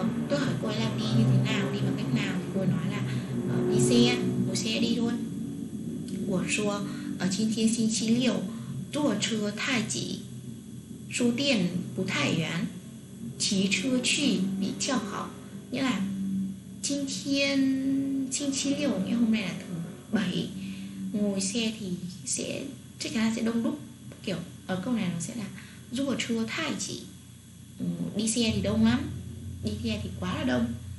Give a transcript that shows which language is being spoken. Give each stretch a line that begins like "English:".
Vietnamese: Tôi hỏi cô ấy là đi như thế nào, đi bằng cách nào, thì cô ấy nói là đi xe, ngồi xe đi thôi.
Chinese: 我说今天星期六坐车太挤，书店不太远，骑车去比较好.
Vietnamese: Nghĩa là hôm nay
Chinese: 星期六,
Vietnamese: nghĩa hôm nay là thứ bảy, ngồi xe thì sẽ chắc chắn là sẽ đông đúc, kiểu ở câu này nó sẽ là dù ở trưa thai chị đi xe thì đông lắm, đi xe thì quá là đông.